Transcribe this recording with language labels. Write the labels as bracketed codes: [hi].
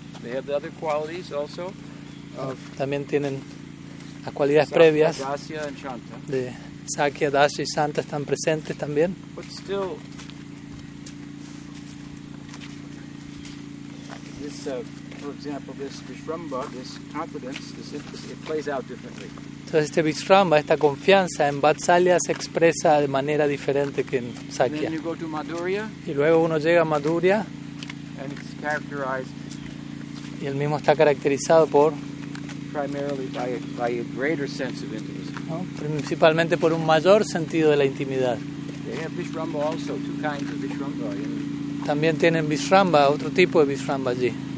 [en] They have the other qualities also of [es] también tienen las cualidades Sakya, previas [en] Dasya and Shanta. [es] De Sakya, Dasya y Santa están presentes también. [en] But still, this, for example, this Vishramba, this confidence, this intimacy, it plays out differently. [es] Entonces este Vishramba, esta confianza en Vatsalya se expresa de manera diferente que en Sakya. [en] Then you go to Madhurya, [es] y luego uno llega a Madhurya [en] and it's characterized [es] Y el mismo está caracterizado por [en] primarily by a greater sense of intimacy. [es] ¿No? Principalmente por un mayor sentido de la intimidad. They have Vishramba also, two kinds of Vishramba. También tienen Vishramba, otro tipo de Vishramba allí.